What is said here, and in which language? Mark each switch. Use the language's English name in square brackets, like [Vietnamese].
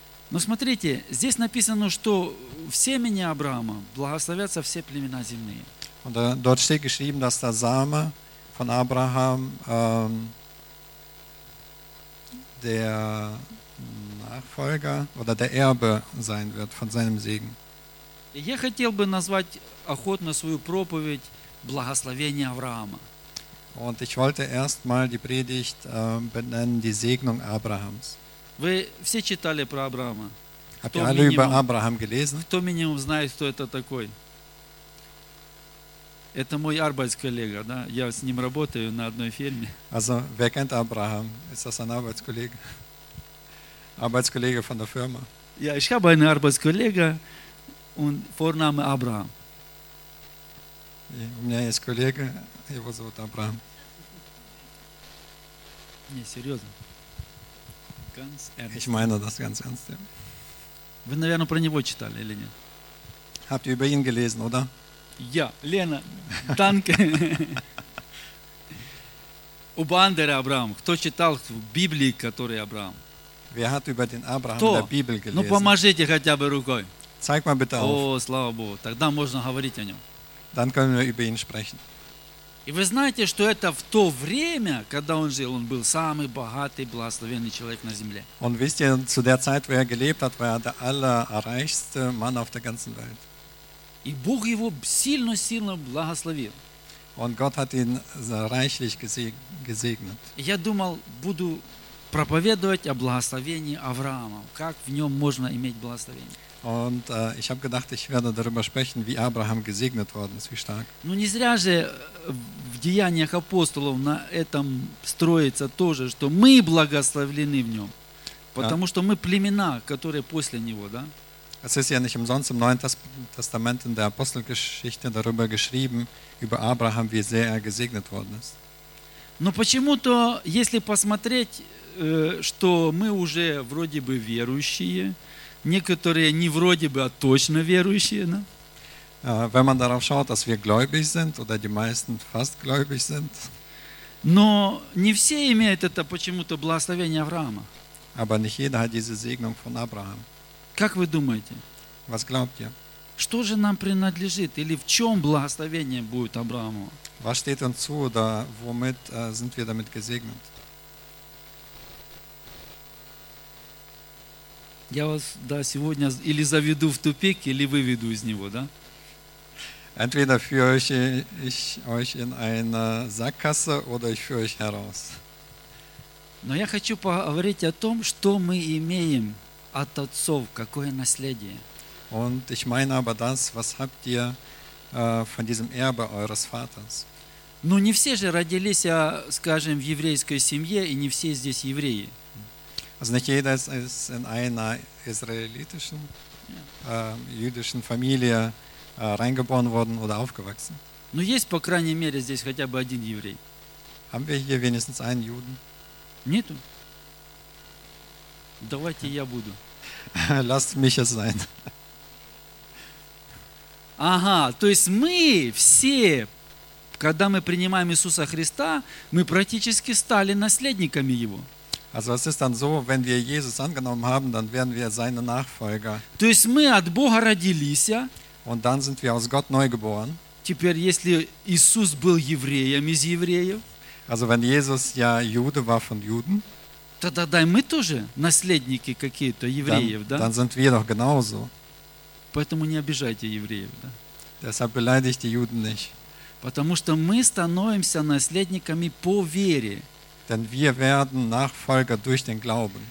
[Russian] Но смотрите, здесь написано, что в семени Авраама благословятся все племена земные. [German] Und dort steht geschrieben, dass der Same von Abraham der Nachfolger oder der Erbe sein wird von seinem Segen. [Russian] Я хотел бы назвать охотно свою проповедь благословение Авраама. [German] Und ich wollte erstmal die Predigt benennen die Segnung Abrahams. [Russian] Вы все читали про Авраама? [German] Habt ihr alle über Abraham gelesen? [Russian] Кто минимум знает, кто это такой? Это мой Arbeitskollege, да? Я с ним работаю на одной фирме. [German] Also, wer kennt Abraham? Ist das ein Arbeitskollege? Arbeitskollege von der Firma? Ja, ich habe einen Arbeitskollege und Vorname Abraham. [Russian] У меня есть коллега, его зовут Абрахам. Не, серьезно. [German] Ganz ernst. Ich meine das ganz ernst. Ja. [Russian] Вы, наверное, про него читали или нет? [German] Habt ihr über ihn gelesen, oder? Я, Лена, танки. [Russian] У Бандера Авраам. Кто читал в Библии, который Авраам? [German] Wer hat über den Abraham in der Bibel gelesen? [Russian] Ну поможите хотя бы рукой. [German] Zeig mal bitte auf. [Russian] О, слава Богу. Тогда можно говорить о нём. [German] Dann können wir über ihn sprechen. [Russian] И вы знаете, что это в то время, когда он жил, он был самый богатый, благословенный человек на земле. [German] Und wisst ihr, zu der Zeit, wo er gelebt hat, war er der allerreichste Mann auf der ganzen Welt. [Russian] И Бог его сильно-сильно благословил. [German] Und Gott hat ihn reichlich gesegnet. [Russian] Я думал, буду проповедовать о благословении Авраама, как в нём можно иметь благословение. [German] Und ich habe gedacht, ich werde darüber sprechen, wie Abraham gesegnet worden ist, wie stark. [Russian] Ну не зря же в Деяниях апостолов на этом строится тоже, что мы благословлены в нём, потому что мы племена, которые после него, да? [German] Es ist ja nicht umsonst im Neuen Testament in der Apostelgeschichte darüber geschrieben, über Abraham, wie sehr er gesegnet worden ist. [Russian] Но почему-то, если посмотреть, что мы уже вроде бы верующие, некоторые не вроде бы, а точно верующие, да? [German] Wenn man darauf schaut, dass wir gläubig sind oder die meisten fast gläubig sind. [Russian] Но не все имеют это почему-то благословение Авраама. [German] Aber nicht jeder hat diese Segnung von Abraham. [Russian] Как вы думаете? [German] Was glaubt ihr? [Russian] Что же нам принадлежит или в чём благословение будет Аврааму? [German] Was steht uns zu oder womit sind wir damit gesegnet? [Russian] Я вас да сегодня или заведу в тупик, или выведу из него, да? [German] Entweder führe ich euch in eine Sackgasse oder ich führe euch heraus. [Russian] Но я хочу поговорить о том, что мы имеем от отцов, какое наследие. [German] Und ich meine aber das, was habt ihr von diesem Erbe eures Vaters? [Russian] Ну не все же родились, а, скажем, в еврейской семье, и не все здесь евреи. [German] Also nicht jeder ist in einer israelitischen, jüdischen Familie reingeboren worden oder aufgewachsen. [Russian] Но есть, по крайней мере, здесь хотя бы один еврей. [German] Haben wir hier wenigstens einen Juden? [Russian] Нету. Давайте я буду. [German] Lasst mich es sein. [Russian] Ага, то есть мы все, когда мы принимаем Иисуса Христа, мы практически стали наследниками Его. [German] Also es ist dann so, wenn wir Jesus angenommen haben, dann werden wir seine Nachfolger. [Russian] То есть мы от Бога родились. [German] Und dann sind wir aus Gott neu geboren. [Russian] Теперь, если Иисус был евреем из евреев. [German] Also wenn Jesus ja Jude war von Juden. [Russian] Тогда мы тоже наследники какие-то евреев, [German] dann, [Russian] да? [German] Dann sind wir doch genauso. [Russian] Поэтому не обижайте евреев, да? [German] Deshalb beleidigt die Juden nicht. [Russian] Потому что мы становимся наследниками по вере. [German] Denn wir werden Nachfolger durch den Glauben.